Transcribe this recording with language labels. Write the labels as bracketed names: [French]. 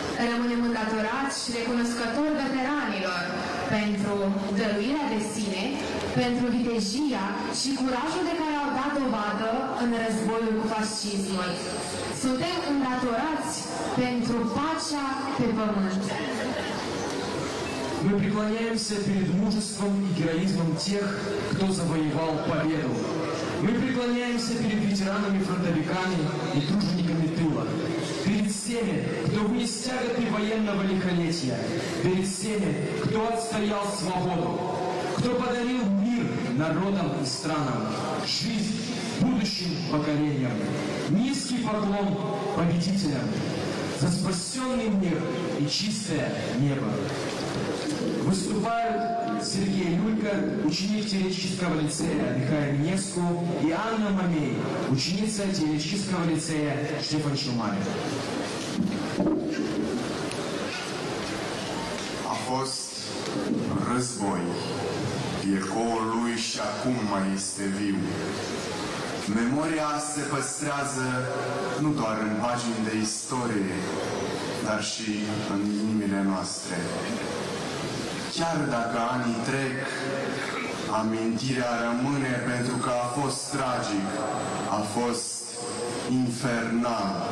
[Romanian] Rămânem îndatorați și recunoscători veteranilor pentru dăruirea de sine, pentru vitejia și curajul de care au dat dovadă în războiul cu fascismul. Suntem îndatorați pentru pacea pe pământ. [Russian] мы преклоняемся перед мужеством и героизмом тех, кто завоевал победу. Мы преклоняемся перед ветеранами-фронтовиками и тружениками тыла, перед всеми, кто вынес тяготы военного лихолетия, перед всеми, кто отстоял свободу, кто подарил мир народам и странам, жизнь будущим поколениям. Низкий поклон победителям за спасенный мир и чистое небо. Выступают Сергей Люлька, ученик теоретического лицея Михаил Невского, и Анна Мамей, ученица теоретического лицея Штефан Челмарев. А хвост разбой, в якого Луища кума есть вил. [Romanian] Memoria se păstrează nu doar în pagini de istorie, dar și în inimile noastre. Chiar dacă anii trec, amintirea rămâne pentru că a fost tragic, a fost infernal.